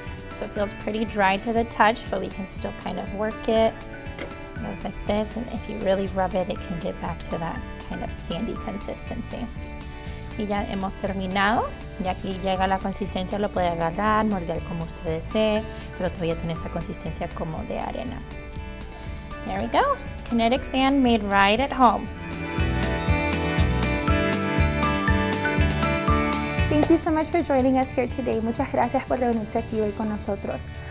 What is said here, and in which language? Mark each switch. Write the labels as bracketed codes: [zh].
[en] So it feels pretty dry to the touch, but we can still kind of work it. It goes like this, and if you really rub it, it can get back to that kind of sandy consistency. [es] Y ya hemos terminado. Ya que llega la consistencia, lo puede agarrar, morder como usted desee, pero todavía tiene esa consistencia como de arena. [en] There we go. Kinetic sand made right at home. Thank you so much for joining us here today. [es] Muchas gracias por reunirse aquí hoy con nosotros.